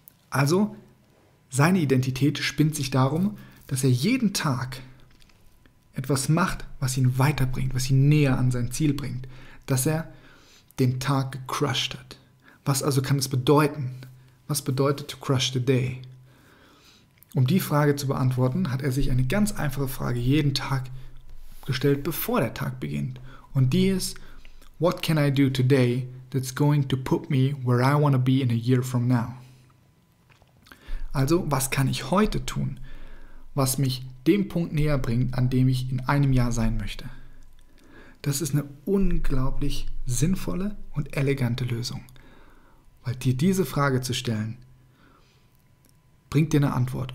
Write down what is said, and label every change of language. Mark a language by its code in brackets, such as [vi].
[de] Also, seine Identität spinnt sich darum, dass er jeden Tag etwas macht, was ihn weiterbringt, was ihn näher an sein Ziel bringt, dass er den Tag gecrushed hat. Was also kann es bedeuten? Was bedeutet [en] to crush the day? [de] Um die Frage zu beantworten, hat er sich eine ganz einfache Frage jeden Tag gestellt, bevor der Tag beginnt. Und die ist, [en] what can I do today that's going to put me where I want to be in a year from now? [de] Also, was kann ich heute tun, was mich dem Punkt näher bringt, an dem ich in einem Jahr sein möchte? Das ist eine unglaublich sinnvolle und elegante Lösung. Weil dir diese Frage zu stellen, bringt dir eine Antwort.